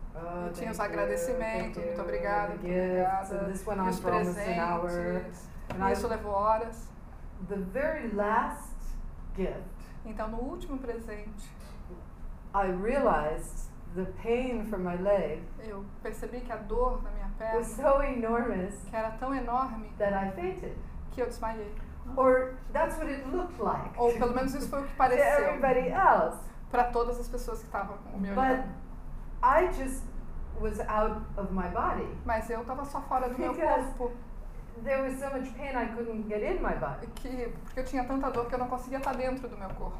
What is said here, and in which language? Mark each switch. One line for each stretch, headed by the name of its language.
Portuguese: E tinha os agradecimentos, muito obrigada, muito obrigada.
English: So this went on for almost an hour.
Portuguese: E isso levou horas.
English: The very last gift.
Portuguese: Então no último presente.
English: I realized the pain from my leg.
Portuguese: Eu percebi que a dor na minha
English: was so enormous
Portuguese: que era tão enorme
English: that I fainted.
Portuguese: Que eu desmaiei.
English: Or that's what it looked like.
Portuguese: Ou pelo menos isso foi o que pareceu.
English: To everybody else.
Portuguese: Para todas as pessoas que estavam ao meu lado.
English: But I just was out of my body.
Portuguese: Mas eu estava só fora do
English: because
Portuguese: meu corpo.
English: There was so much pain I couldn't get in my body.
Portuguese: Que, porque eu tinha tanta dor que eu não conseguia estar dentro do meu corpo.